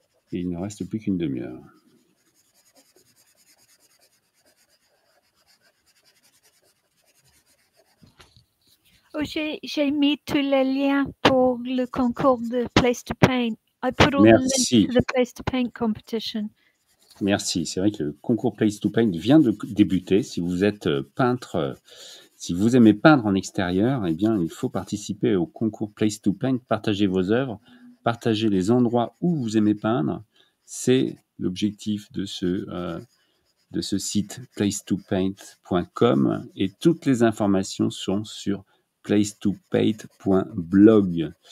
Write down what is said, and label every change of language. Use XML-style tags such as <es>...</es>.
<fr>Et il ne reste plus qu'une demi-heure. Oh, j'ai mis tous les liens pour le concours de Place to Paint.</fr> <en>I put all</en> <fr>Merci.</fr> <en>The links to the Place to Paint competition.</en> <fr>Merci. C'est vrai que le concours Place to Paint vient de débuter. Si vous êtes peintre, si vous aimez peindre en extérieur, eh bien, il faut participer au concours Place to Paint. Partagez vos œuvres, partagez les endroits où vous aimez peindre. C'est l'objectif de ce site placetopaint.com, et toutes les informations sont sur placetopaint.blog.</fr>